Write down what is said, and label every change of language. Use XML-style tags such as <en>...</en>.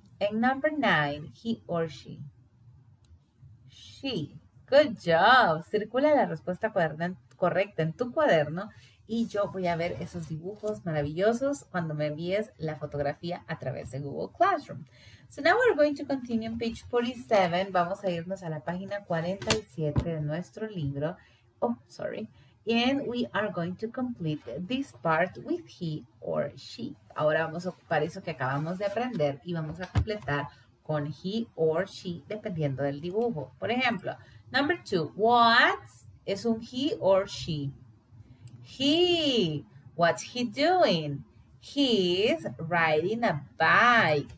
<en>And number nine. He or she? She. Good job.</en> <es>Circula la respuesta correcta en tu cuaderno y yo voy a ver esos dibujos maravillosos cuando me envíes la fotografía a través de Google Classroom.</es> <en>So now we're going to continue on page 47.</en> <es>Vamos a irnos a la página 47 de nuestro libro.</es> <en>Oh, sorry. And we are going to complete this part with he or she.</en> <es>Ahora vamos a ocupar eso que acabamos de aprender y vamos a completar con</es> <en>he or she</en> <es>dependiendo del dibujo. Por ejemplo,</es> <en>number two, what</en> <es>es un</es> <en>he or she? He. What's he doing? He is riding a bike.</en>